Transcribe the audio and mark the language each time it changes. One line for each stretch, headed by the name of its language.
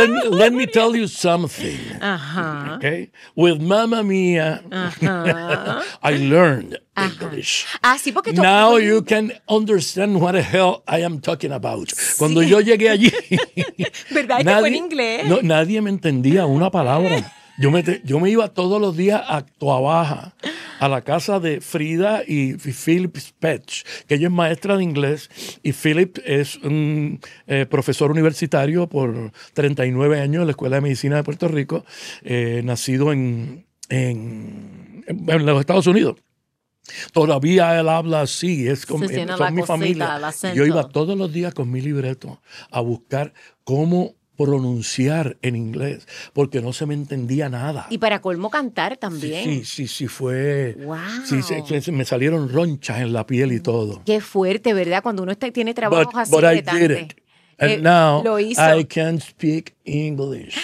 English: let me tell you something. Ajá. Okay? With Mamma Mia. I learned English.
Spanish: Ah, sí, porque
English: now you can understand what the hell I am talking about.
Spanish: Sí. Cuando yo llegué allí, ¿verdad? Nadie, que fue en inglés. No, nadie me entendía una palabra. Yo me iba todos los días a Toa Baja, a la casa de Frida y Philip Spetch, que ella es maestra de inglés, y Philip es un profesor universitario por 39 años en la Escuela de Medicina de Puerto Rico, nacido en los Estados Unidos. Todavía él habla así, es con se son la mi cosita, familia. Yo iba todos los días con mi libreto a buscar cómo pronunciar en inglés, porque no se me entendía nada. Y para colmo cantar también. Sí, fue. ¡Wow! Sí, me salieron ronchas en la piel y todo. Qué fuerte, ¿verdad? Cuando uno tiene trabajos así.
English: But I did it. And now I can speak English.